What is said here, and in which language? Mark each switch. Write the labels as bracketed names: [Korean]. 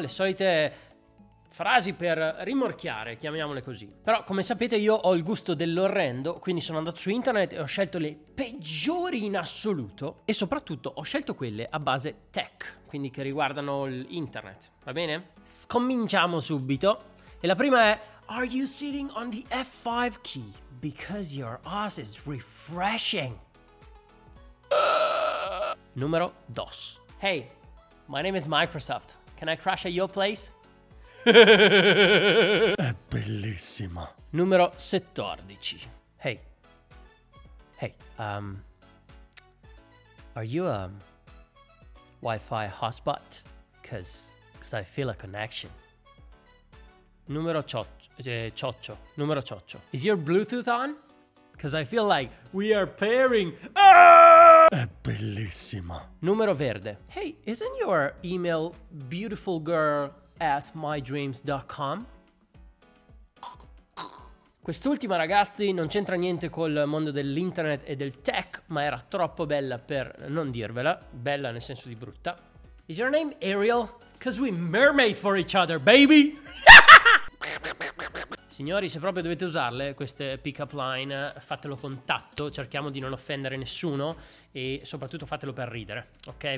[Italian] Le solite frasi per rimorchiare, chiamiamole così. Però, come sapete, io ho il gusto dell'orrendo, quindi sono andato su internet e ho scelto le peggiori in assoluto e soprattutto ho scelto quelle a base tech, quindi che riguardano l'internet, va bene? Scominciamo subito. E la prima è: [English] are you sitting on the F5 key because your ass is refreshing? [Italian] Numero dos. [English] Hey, my name is Microsoft. Can I crash at your place? [Italian] È bellissima. Numero 14. Hey. [English] Hey, are you a Wi-Fi hotspot? Cause I feel a connection. [Italian] Numero 18. [English] Is your Bluetooth on? Cause I feel like we are pairing. [Italian] È bellissima. Numero verde. [English] Hey, isn't your email beautiful girl at mydreams.com? [Italian] Quest'ultima, ragazzi, non c'entra niente col mondo dell'internet e del tech, ma era troppo bella per non dirvela. Bella nel senso di brutta. [English] Is your name Ariel? Cause we mermaid for each other, baby! [Italian] Signori, se proprio dovete usarle queste pick-up line, fatelo con tatto, cerchiamo di non offendere nessuno e soprattutto fatelo per ridere, ok?